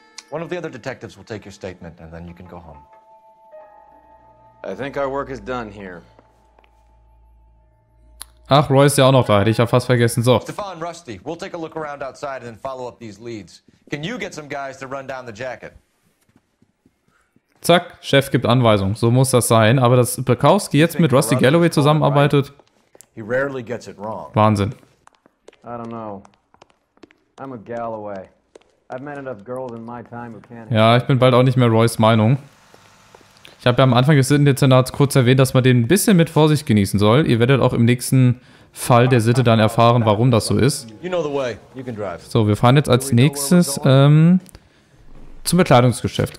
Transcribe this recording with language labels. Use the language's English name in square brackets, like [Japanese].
[English] One of the other detectives will take your statement and then you can go home. I think our work is done here. [German] Ach, Roy ist ja auch noch da. Hätte ich ja fast vergessen. So. [English] Stefan, Rusty, we'll take a look around outside and then follow up these leads. Can you get some guys to run down the jacket? [German] Zack, Chef gibt Anweisung. So muss das sein. Aber dass Bukowski jetzt mit Rusty Galloway zusammenarbeitet, [English] he rarely gets it wrong. [German] Wahnsinn. [English] I don't know. I'm a Galloway. I've met enough girls in my time who can't. [German] Ja, ich bin bald auch nicht mehr Roys Meinung. Ich habe ja am Anfang des Sittendezernats kurz erwähnt, dass man den ein bisschen mit Vorsicht genießen soll. Ihr werdet auch im nächsten Fall der Sitte dann erfahren, warum das so ist. So, wir fahren jetzt als nächstes zum Bekleidungsgeschäft.